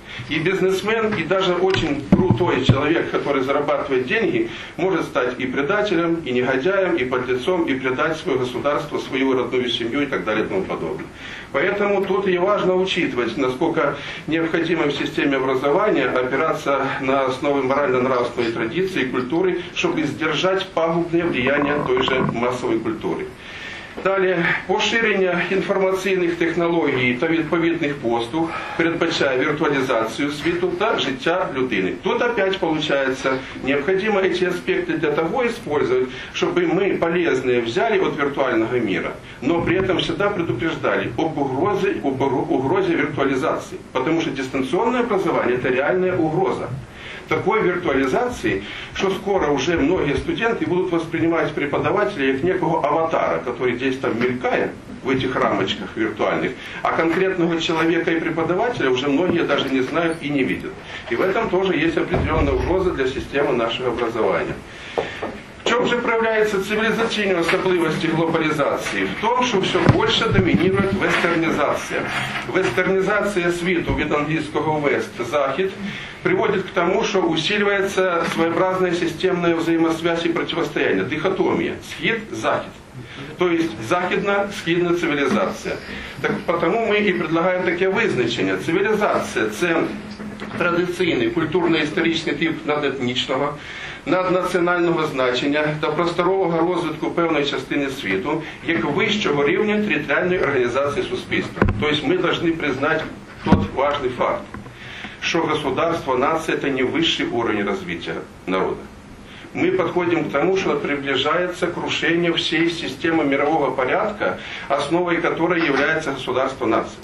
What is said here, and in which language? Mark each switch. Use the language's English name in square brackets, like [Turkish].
[Russian] И бизнесмен, и даже очень крутой человек, который зарабатывает деньги, может стать и предателем, и негодяем, и подлецом, и предать свое государство, свою родную семью и так далее и тому подобное. Поэтому тут и важно учитывать, насколько необходимо в системе образования опираться на основы морально-нравственной традиции и культуры, чтобы сдержать пагубное влияние той же массовой культуры. [Ukrainian] Далее, поширення інформаційних технологій та відповідних послуг передбачає віртуалізацію світу та життя людини. [Russian] Тут опять получается, необходимо эти аспекты для того использовать, чтобы мы полезные взяли от виртуального мира, но при этом всегда предупреждали об угрозе виртуализации, потому что дистанционное образование – это реальная угроза. Такой виртуализации, что скоро уже многие студенты будут воспринимать преподавателя как некого аватара, который здесь там мелькает в этих рамочках виртуальных, а конкретного человека и преподавателя уже многие даже не знают и не видят. И в этом тоже есть определенная угроза для системы нашего образования. В чем же проявляется цивилизационная особенность глобализации? В том, что все больше доминирует вестернизация. Вестернизация [Ukrainian] світу від англійського «вест» – «захід» [Russian] приводит к тому, что усиливается своеобразная системная взаимосвязь и противостояние, дихотомия, схид-захид, то есть захидно-схидная цивилизация. Так потому мы и предлагаем такие вызначения. Цивилизация – это традиционный культурно-исторический тип надэтничного, наднационального значения [Ukrainian] та просторового розвитку певної частини світу, як вищого рівня територіальної організації суспільства. [Russian] То есть мы должны признать тот важный факт, что государство, нация – это не высший уровень развития народа. Мы подходим к тому, что приближается крушение всей системы мирового порядка, основой которой является государство нации.